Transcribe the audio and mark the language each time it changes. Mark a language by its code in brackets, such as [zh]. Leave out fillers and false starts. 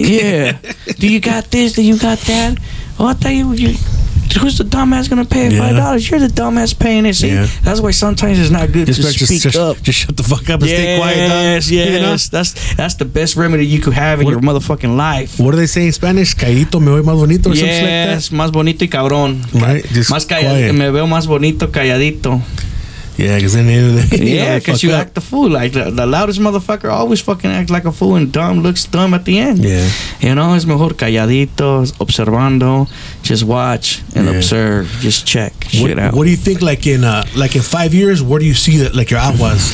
[en] Yeah. Do you got this? Do you got that? Oh, I thought you... Who's the dumbass gonna pay $5? Yeah. You're the dumbass paying it. See, that's why sometimes it's not good to speak up. Just shut the fuck up and stay quiet. Yes, you know? That's the best remedy you could have in your motherfucking life. What do they say in Spanish? [es] Callito me voy más bonito. [en] Yes, or something like that. [es] Más bonito y cabrón. [en] Right, just más quiet. [es] Me veo más bonito calladito. [en] Yeah, because then you act the fool. Like the loudest motherfucker always fucking acts like a fool and dumb, looks dumb at the end. Yeah. You know, it's [es] mejor calladito, observando, [en] just watch and observe, just check shit out. What do you think, like in 5 years, where do you see that, like your Aguas?